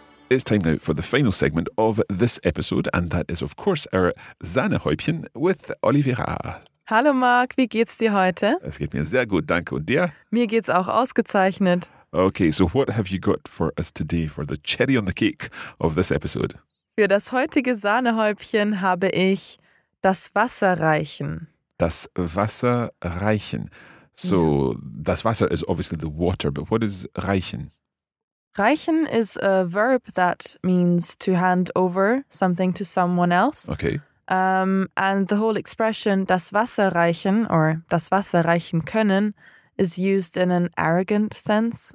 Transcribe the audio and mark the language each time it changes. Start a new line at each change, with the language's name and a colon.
English: It's time now for the final segment of this episode, and that is, of course, our Sahnehäubchen with Oliveira.
German: Hallo Marc, wie geht's dir heute? Es geht mir sehr gut, danke. Und dir? Mir geht's auch ausgezeichnet.
English: Okay, so what have you got for us today, for the cherry on the cake of this episode?
German: Für das heutige Sahnehäubchen habe ich das Wasser reichen. Das Wasser reichen. So, yeah.
English: Das Wasser is obviously the water, but what is reichen? Reichen is a verb that means to hand over something to someone else. Okay. And the whole expression das Wasser reichen or das Wasser reichen können is used in an arrogant sense.